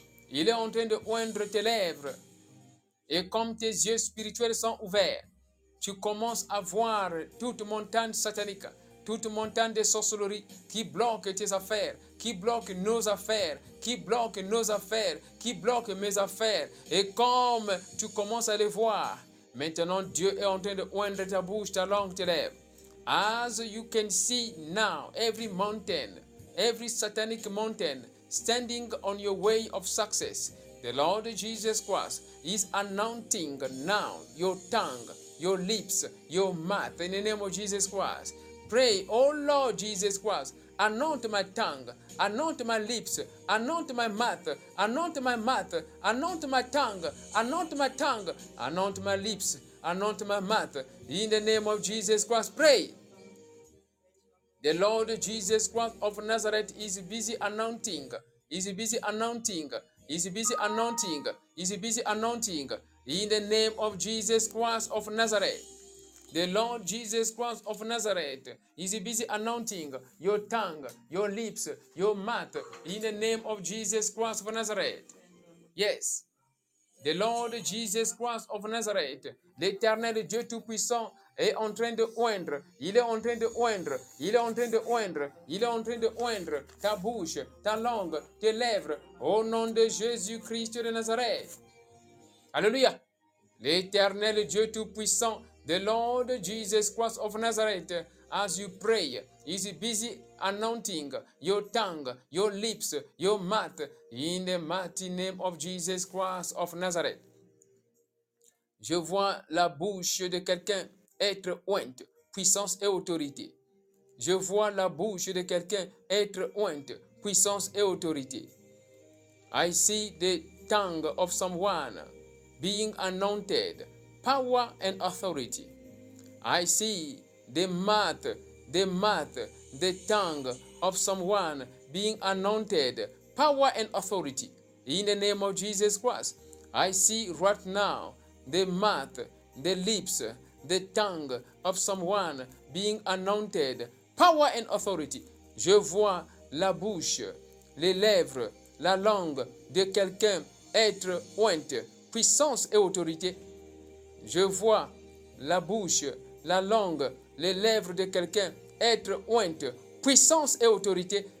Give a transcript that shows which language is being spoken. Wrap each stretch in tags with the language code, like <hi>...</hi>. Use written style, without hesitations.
<fr>Il est en train de oindre tes lèvres. Et comme tes yeux spirituels sont ouverts, tu commences à voir toute montagne satanique, toute montagne de sorcellerie qui bloque tes affaires, qui bloque nos affaires, qui bloque nos affaires, qui bloque mes affaires. Et comme tu commences à les voir, maintenant Dieu est en train de oindre ta bouche, ta langue, tes lèvres.</fr> <en>As you can see now, every mountain, every satanic mountain standing on your way of success, the Lord Jesus Christ is anointing now your tongue, your lips, your mouth, in the name of Jesus Christ. Pray, oh Lord Jesus Christ, anoint my tongue, anoint my lips, anoint my mouth, anoint my mouth, anoint my tongue, anoint my tongue, anoint my lips, anoint my mouth, in the name of Jesus Christ. Pray. The Lord Jesus Christ of Nazareth is busy anointing, is busy anointing, is busy anointing, is busy anointing, in the name of Jesus Christ of Nazareth. The Lord Jesus Christ of Nazareth is busy anointing your tongue, your lips, your mouth, in the name of Jesus Christ of Nazareth. Yes. The Lord Jesus Christ of Nazareth,</en> <fr>l'éternel Dieu Tout-Puissant, est en train de oindre, il est en train de oindre, il est en train de oindre, il est en train de oindre ta bouche, ta langue, tes lèvres, au nom de Jésus-Christ de Nazareth. Alléluia! L'éternel Dieu Tout-Puissant,</fr> <en>the Lord Jesus Christ of Nazareth, as you pray, is busy anointing your tongue, your lips, your mouth, in the mighty name of Jesus Christ of Nazareth.</en> <fr>Je vois la bouche de quelqu'un être ointe, puissance et autorité. Je vois la bouche de quelqu'un être ointe, puissance et autorité.</fr> <en>I see the tongue of someone being anointed, power and authority. I see the tongue of someone being anointed, power and authority. In the name of Jesus Christ, I see right now the mouth, the lips, the tongue of someone being anointed, power and authority.</en> <fr>Je vois la bouche, les lèvres, la langue de quelqu'un être ointe, puissance et autorité. Je vois la bouche, la langue, les lèvres de quelqu'un être ointe, puissance et autorité.</fr>